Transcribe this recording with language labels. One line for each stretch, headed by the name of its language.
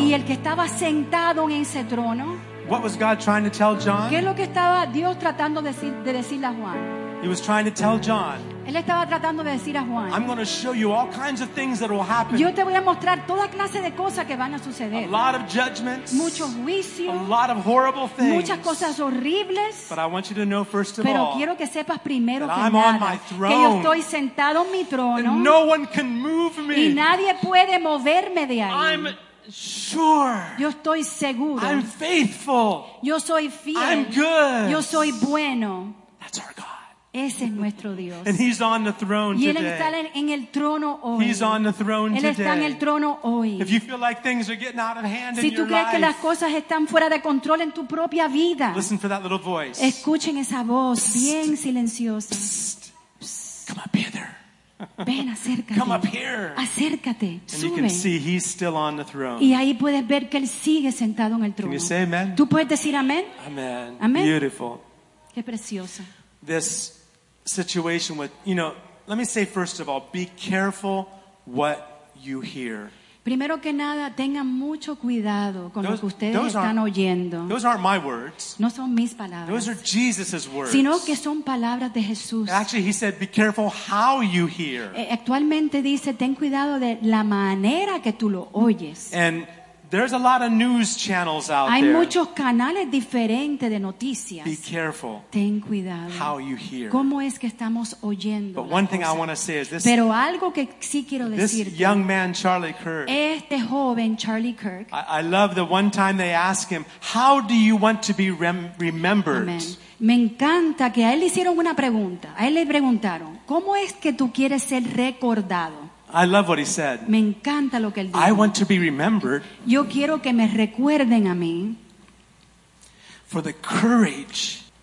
Spanish: Y el que estaba sentado en ese trono.
English: What was God trying to tell John?
Spanish: ¿Qué es lo que estaba Dios tratando de decirle a Juan?
English: He was trying to tell John.
Spanish: Él estaba tratando de decir a Juan.
English: I'm going to show you all kinds of things that will happen.
Spanish: Yo te voy a mostrar toda clase de cosas que van a suceder.
English: A lot of judgments.
Spanish: Muchos juicios.
English: A lot of horrible things.
Spanish: Muchas cosas horribles.
English: But I want you to know first of all.
Spanish: Pero quiero que sepas primero que
English: I'm
Spanish: nada.
English: I'm on my throne.
Spanish: Que yo estoy sentado en mi trono.
English: And no one can move me.
Spanish: Y nadie puede moverme de ahí.
English: I'm sure.
Spanish: Yo estoy seguro.
English: I'm faithful.
Spanish: Yo soy fiel.
English: I'm good.
Spanish: Yo soy bueno.
English: That's our God.
Spanish: Ese es nuestro Dios.
English: And he's on the throne
Spanish: y él
English: today.
Spanish: Está en el trono hoy.
English: He's on the throne
Spanish: él está
English: today.
Spanish: En el trono hoy.
English: If you feel like things are getting out of hand
Spanish: si
English: in your
Spanish: crees
English: life,
Spanish: que las cosas están fuera de control en tu propia vida,
English: listen for that little voice.
Spanish: Escuchen esa voz psst, bien silenciosa.
English: Psst, psst. Come up here. There.
Spanish: Ven, acércate.
English: Come up here.
Spanish: Acércate.
English: And
Spanish: sube.
English: You can see he's still on the throne.
Spanish: Y ahí puedes ver que él sigue sentado en el trono.
English: Can you say amen?
Spanish: ¿Tú puedes decir amén?
English: Amen.
Spanish: Amen.
English: Beautiful.
Spanish: Qué precioso.
English: This situation with, you know, let me say first of all, be careful what you hear.
Spanish: Primero que nada, tengan mucho cuidado con lo que ustedes están oyendo.
English: Those aren't my words.
Spanish: No son mis palabras.
English: Those are Jesus's words.
Spanish: Sino que son palabras de Jesús.
English: Actually, he said, be careful how you hear.
Spanish: Actualmente dice, ten cuidado de la manera que tú lo oyes.
English: And there's a lot of news channels out
Spanish: hay
English: there.
Spanish: Muchos canales diferentes de noticias.
English: Be careful.
Spanish: Ten cuidado.
English: How you hear.
Spanish: ¿Cómo es que estamos oyendo?
English: But one thing I want to say is this.
Spanish: Pero algo que sí quiero
English: this
Spanish: decirte,
English: young man Charlie Kirk.
Spanish: Este joven Charlie Kirk.
English: I love the one time they ask him, "How do you want to be remembered?" Amen.
Spanish: Me encanta que a él le hicieron una pregunta. A él le preguntaron, "¿Cómo es que tú quieres ser recordado?"
English: I love what he said.
Spanish: Me encanta lo que él dijo.
English: I want to be remembered.
Spanish: Yo quiero que me recuerden a mí.
English: For the courage.